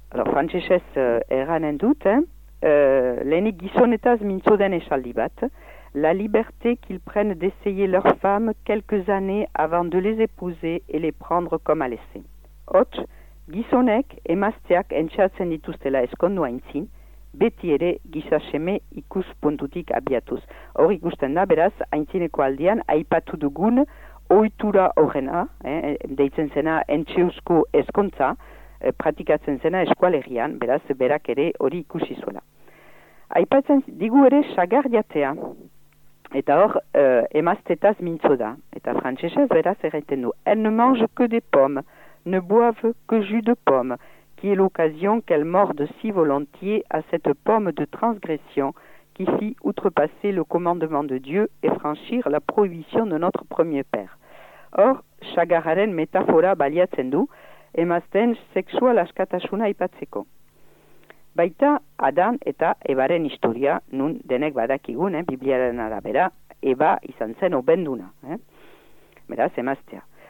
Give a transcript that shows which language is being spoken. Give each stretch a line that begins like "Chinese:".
Basque: Frantsesez erranen dut, lehenik gizonetaz mintzo den esaldi bat,
French: la liberté qu'il prenne d'essayer leur femme quelques années avant de les épouser et les prendre comme à laisser.
Basque: Hots, gizonek emazteak entxatzen dituztela eskondu aintzin, beti ere gizaseme ikus puntutik abiatuz. Hor ikusten da, beraz, aintzineko aldian, aipatu dugun ohitura horrena, deitzen zena entxeuzko ezkontza, pratikatzen zena eskualegian, beraz, berak ere hori ikusi zuela. Aipatzen digu ere sagar jatea, eta hor, emaztetaz mintzo da, eta frantsesez beraz erraiten du,
French: elle ne mange que des pommes, ne boive que jus de pommes, qui est l'occasion qu'elle morde si volontiers à cette pomme de transgression qui fit outrepasser le commandement de Dieu et franchir la prohibition de notre premier père.
Basque: Or, chagarraren metafora baliatzen du, emazten sexual askatasuna aipatzeko. Baita, Adan eta Ebaren historia, nun denek badakigun, Bibliaren arabera, Eba izan zen obenduna. Beraz, emaztea.